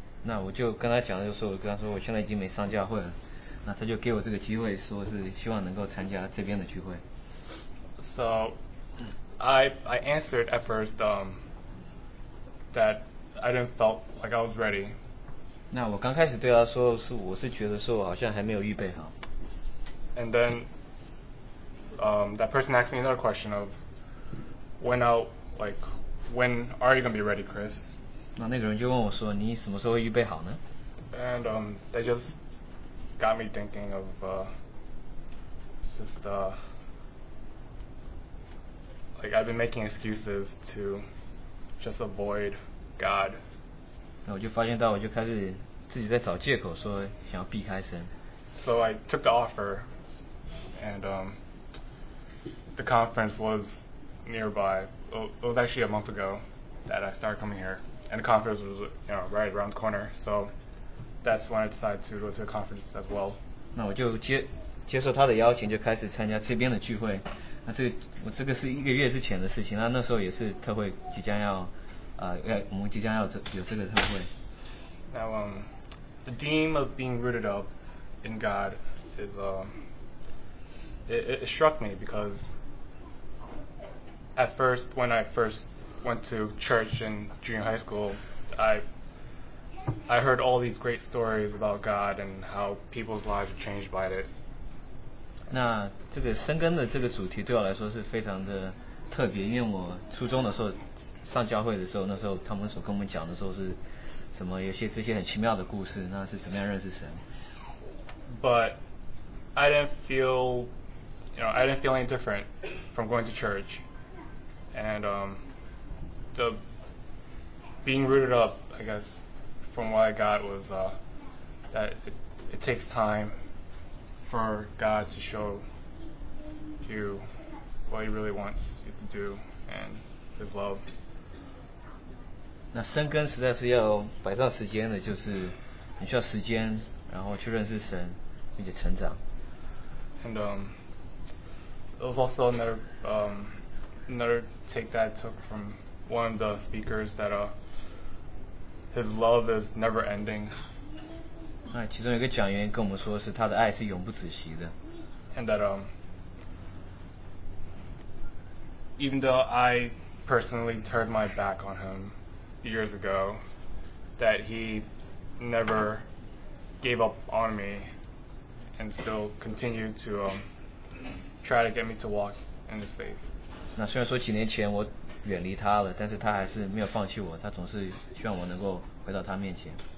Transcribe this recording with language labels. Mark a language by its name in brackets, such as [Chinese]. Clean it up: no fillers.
[Chinese] 那我就跟他讲，就说我跟他说我现在已经没上教会了。那他就给我这个机会，说是希望能够参加这边的聚会。 [English] So, I answered at first that I didn't felt like I was ready. [Chinese] 那我刚开始对他说是我是觉得说我好像还没有预备好。 [English] And then, that person asked me another question of when are you gonna be ready, Chris? [Chinese] 那个人就问我说你什么时候会预备好呢 [English] ？And they just got me thinking of I've been making excuses to just avoid God. [Chinese] 那我就发现到我就开始自己在找借口说想要避开神。 [English] So I took the offer, and the conference was nearby. It was actually a month ago that I started coming here, and the conference was, you know, right around the corner. So that's when I decided to go to the conference as well. [Chinese] 那我就接受他的邀请，就开始参加这边的聚会。那这我这个是一个月之前的事情，那时候也是特会即将要，我们即将要有这个特会。 [English] Now, the theme of being rooted up in God is, it struck me because at first, when I first went to church in junior high school, I heard all these great stories about God and how people's lives are changed by it. [Chinese] 那这个生根的这个主题对我来说是非常的特别，因为我初中的时候上教会的时候，那时候他们所跟我们讲的时候是什么，有些这些很奇妙的故事，那是怎么样认识神。 [English] But I didn't feel, you know, I didn't feel any different from going to church, and the being rooted up, I guess, from what I got was that it takes time for God to show you what He really wants you to do and His love. [Chinese] 那生根实在是要摆上时间的，就是你需要时间，然后去认识神，并且成长。 [English] And it was also another take that I took from one of the speakers that his love is never ending. [Chinese] 那其中有一个讲员跟我们说是他的爱是永不止息的。 [English] And that even though I personally turned my back on him years ago, that he never gave up on me and still continued to try to get me to walk in his faith. [Chinese] 那虽然说几年前我远离他了，但是他还是没有放弃我，他总是希望我能够回到他面前。